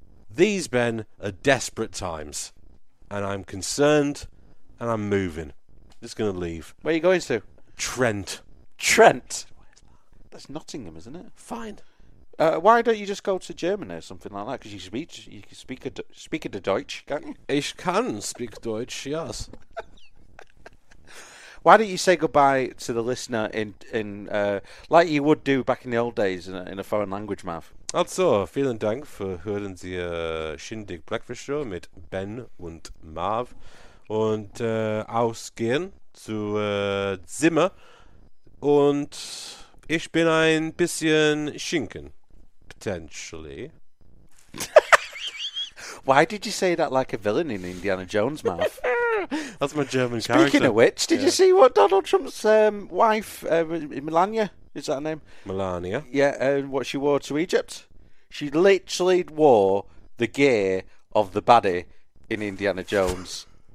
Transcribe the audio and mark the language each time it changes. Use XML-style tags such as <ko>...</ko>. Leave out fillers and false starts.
<en>These, Ben, are desperate times. And I'm concerned, and I'm moving. I'm just going to leave. Where are you going to? Trent. Trent? That's Nottingham, isn't it? Fine. Why don't you just go to Germany or something like that? Because you can speak a Deutsch, can't you?</en> <de>Ich kann</de> <en>speak</en> <de>Deutsch, yes.</de> <en>Why don't you say goodbye to the listener like you would do back in the old days in a foreign language, Marv?</en> <de>Also, vielen Dank für hören Sie Shindig Breakfast Show mit Ben und Marv. Und ausgehen zu Zimmer. Und ich bin ein bisschen Schinken.</de> <en>Potentially. Why did you say that like a villain in Indiana Jones, Marv? That's my German character. Speaking of which, did you see what Donald Trump's wife, Melania, is that her name? Melania. Yeah, what she wore to Egypt. She literally wore the gear of the baddie in Indiana Jones.</en>